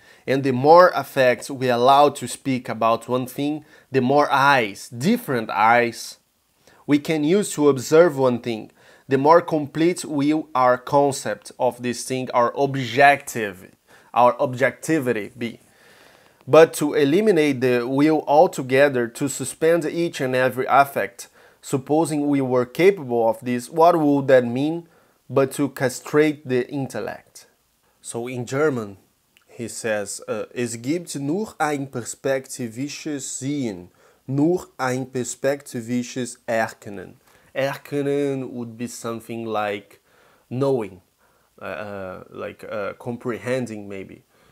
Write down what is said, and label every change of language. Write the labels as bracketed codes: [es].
[en] And the more affects we allow to speak about one thing, the more eyes, different eyes, we can use to observe one thing, the more complete will our concept of this thing, our objectivity be. But to eliminate the will altogether, to suspend each and every affect, supposing we were capable of this, what would that mean but to castrate the intellect? [de] So in German, he says, Es gibt nur ein perspektivisches Sehen, nur ein perspektivisches Erkennen. [en] Erkennen would be something like knowing, comprehending maybe.